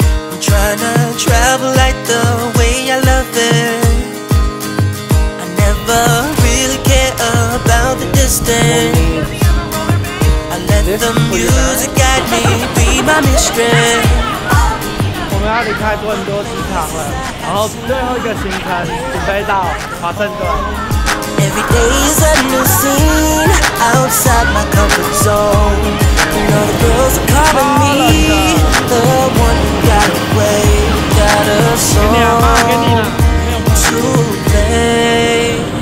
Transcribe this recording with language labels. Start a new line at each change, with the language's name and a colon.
English: I'm trying to travel like the way I love it. I never really care about the distance. I let the music guide me, be my mistress.
Chinese: 我们要离开多伦多机场了，然后最后一个行程准备到华盛顿。
English: Every day is a new scene outside my comfort zone. You know the girls are calling me the one who got away, got a song to play.